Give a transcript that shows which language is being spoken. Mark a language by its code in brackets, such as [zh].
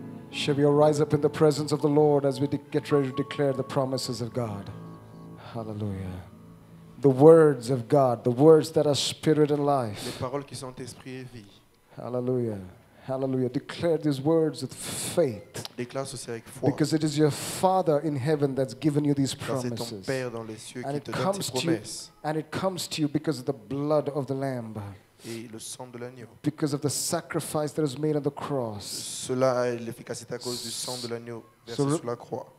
[en] Shall we arise up in the presence of the Lord as we get ready to declare the promises of God. Hallelujah. The words of God, the words that are spirit and life. [fr] Les paroles qui sont esprit et vie. [en] Hallelujah. Hallelujah. Declare these words with faith. [fr] Déclare ceci avec foi. [en] Because it is your Father in heaven that's given you these promises. [fr] C'est ton Père dans les cieux qui te donne ces promesses. [en] And it comes to you because of the blood of the Lamb. [fr] Et le sang de l'agneau. [en] Because of the sacrifice that was made on the cross. [fr] Cela a l'efficacité à cause du sang de l'agneau versé sur la croix.